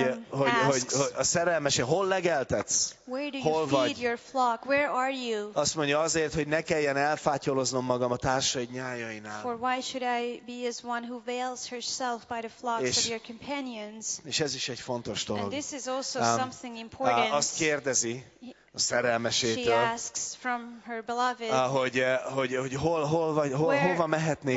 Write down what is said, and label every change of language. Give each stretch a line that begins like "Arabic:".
Hungarian: hogy a szerelmese, hol legeltetsz?
English: Where do you
Hungarian: hol vagy?
English: Feed your flock? Where are you?
Hungarian: Azt mondja azért, hogy ne kelljen elfátyoloznom magam a társaid nyájainál.
English: For why should I be as one who veils herself by the flocks of your companions?
Hungarian: És ez is egy fontos dolog.
English: And this is also something important.
Hungarian: Azt kérdezi a szerelmesétől.
English: She asks from her beloved.
Hungarian: Hogy hol vagy, hova mehetnék